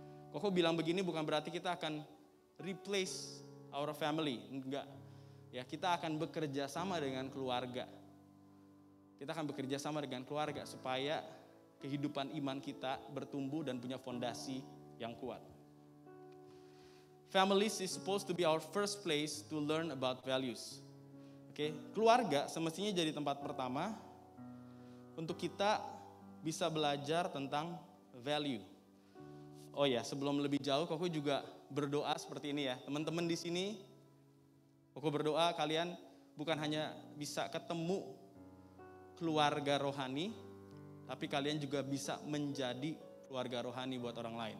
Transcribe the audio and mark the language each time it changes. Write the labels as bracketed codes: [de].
[id] Koko bilang begini bukan berarti kita akan [en] replace our family, [id] enggak. Ya, kita akan bekerja sama dengan keluarga. Kita akan bekerja sama dengan keluarga supaya kehidupan iman kita bertumbuh dan punya fondasi yang kuat. [en] Families is supposed to be our first place to learn about values. [id] Oke, keluarga semestinya jadi tempat pertama untuk kita bisa belajar tentang value. Oh ya, sebelum lebih jauh, Koko juga berdoa seperti ini ya. Teman-teman di sini, Koko berdoa kalian bukan hanya bisa ketemu keluarga rohani, tapi kalian juga bisa menjadi keluarga rohani buat orang lain.